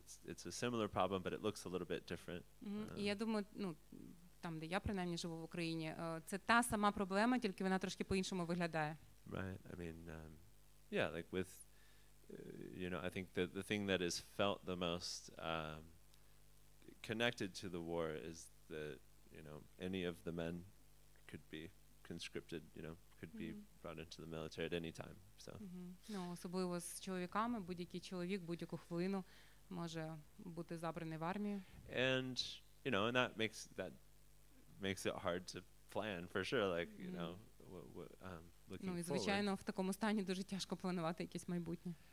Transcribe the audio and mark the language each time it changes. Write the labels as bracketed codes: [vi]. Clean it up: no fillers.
[en] It's a similar problem, but it looks a little bit different. [uk] Я думаю, ну, там, де я принаймні живу в Україні, це та сама проблема, тільки вона трошки по-іншому виглядає. [en] Right. I mean, yeah, like with you know, I think that the thing that is felt the most connected to the war is that, you know, any of the men could be conscripted, you know, could be brought into the military at any time. So. [uk] Ну, особливо з чоловіками, будь-який чоловік будь-яку хвилину може бути забраний в армію. [en] And, you know, and that makes it hard to plan for sure, like, you know, looking forward. [uk] Ну, звичайно, в такому стані дуже тяжко планувати якесь майбутнє.